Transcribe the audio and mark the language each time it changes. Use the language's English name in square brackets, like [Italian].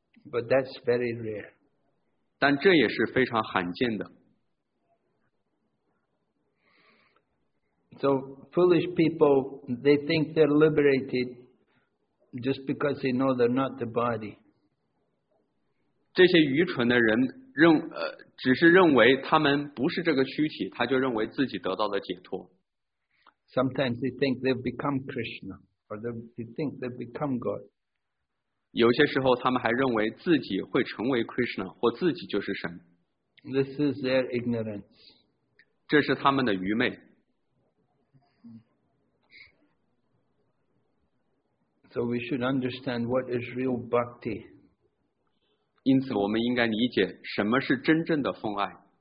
[English] But that's very rare. [Chinese] 但这也是非常罕见的。 [English] So foolish people, they think they're liberated just because they know they're not the body. [Chinese] 这些愚蠢的人认只是认为他们不是这个躯体，他就认为自己得到了解脱。 [English] Sometimes they think they've become Krishna, or they think they've become God. [Chinese] 有些时候他们还认为自己会成为 Krishna, 或自己就是神。 [English] This is their ignorance. [Chinese] 这是他们的愚昧。 [English] So we should understand what is real bhakti. [Chinese] 因此我们应该理解什么是真正的奉爱。